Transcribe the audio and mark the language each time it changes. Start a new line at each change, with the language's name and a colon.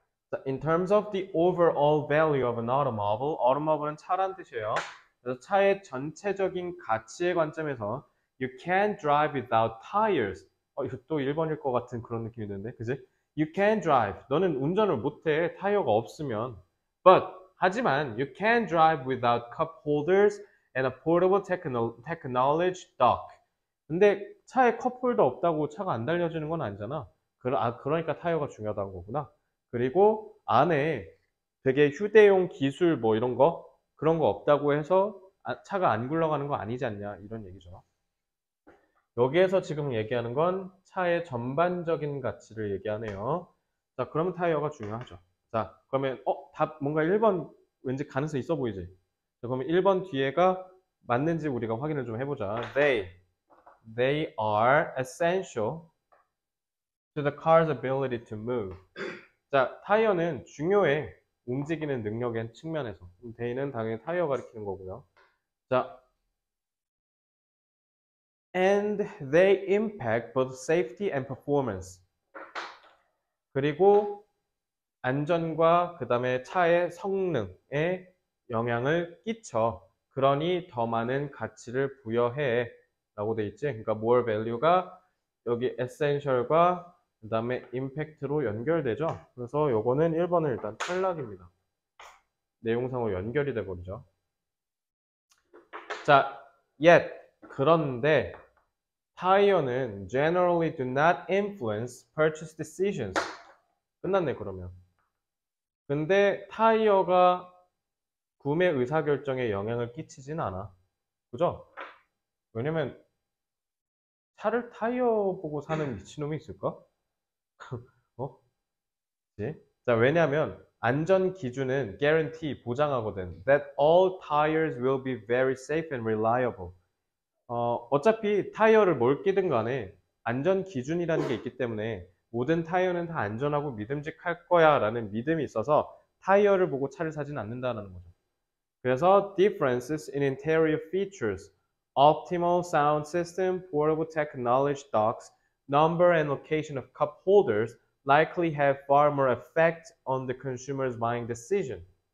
English: 자, in terms of the overall value of an automobile.
Korean: automobile은 차란 뜻이에요. 그래서 차의 전체적인 가치의 관점에서.
English: You can't drive without tires.
Korean: 이거 또 1번일 것 같은 그런 느낌이 드는데, 그지?
English: You can't drive.
Korean: 너는 운전을 못해, 타이어가 없으면.
English: But,
Korean: 하지만,
English: you can't drive without cup holders and a portable technology dock.
Korean: 근데, 차에 컵홀더 없다고 차가 안 달려지는 건 아니잖아. 그러니까 타이어가 중요하다는 거구나. 그리고, 안에 되게 휴대용 기술 뭐 이런 거, 그런 거 없다고 해서 차가 안 굴러가는 거 아니지 않냐, 이런 얘기죠. 여기에서 지금 얘기하는 건 차의 전반적인 가치를 얘기하네요. 자, 그러면 타이어가 중요하죠. 자, 그러면, 답, 뭔가 1번 왠지 가능성 있어 보이지? 자, 그러면 1번 뒤에가 맞는지 우리가 확인을 좀 해보자.
English: They are essential to the car's ability to move.
Korean: 자, 타이어는 중요해. 움직이는 능력의 측면에서. They는 당연히 타이어가 가리키는 거고요.
English: 자, And they impact both safety and performance.
Korean: 그리고 안전과 그다음에 차의 성능에 영향을 끼쳐. 그러니 더 많은 가치를 부여해라고 돼 있지. 그러니까
English: more value
Korean: 가 여기 essential과 그 다음에 임팩트로 연결되죠. 그래서 요거는 1번은 일단 탈락입니다. 내용상으로 연결이 돼버리죠.
English: 자, yet,
Korean: 그런데 타이어는
English: generally do not influence purchase decisions.
Korean: 끝났네, 그러면. 근데 타이어가 구매 의사결정에 영향을 끼치진 않아. 그죠? 왜냐면 차를 타이어 보고 사는 미친놈이 있을까? 어? 네? 자, 왜냐면 안전 기준은 guarantee, 보장하거든.
English: That all tires will be very safe and reliable.
Korean: 어차피 타이어를 뭘 끼든 간에 안전 기준이라는 게 있기 때문에 모든 타이어는 다 안전하고 믿음직할 거야 라는 믿음이 있어서 타이어를 보고 차를 사진 않는다는 거죠.
English: 그래서 differences in interior features, optimal sound system, portable technology docks, number and location of cup holders likely have far more effect on the consumer's buying decision.